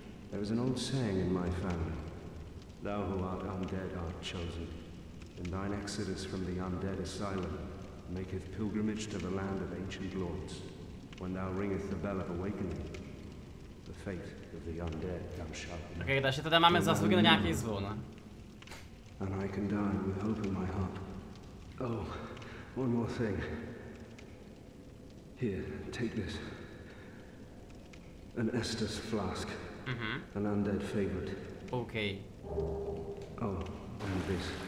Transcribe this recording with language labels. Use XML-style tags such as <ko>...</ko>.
<en>There is an old saying in my family. Thou who art undead art chosen. And thine exodus from the undead asylum maketh pilgrimage to the land of ancient lords. When thou ringeth the bell of awakening, the fate of the undead thou shalt know.</en> <cs>Okay, takže teda máme zasluhy na nějaký zvon.</cs> <en>And I can die with hope in my heart. Oh, one more thing. Here, take this. An Estus flask. An undead favorite. Okay. Oh, and this.</en>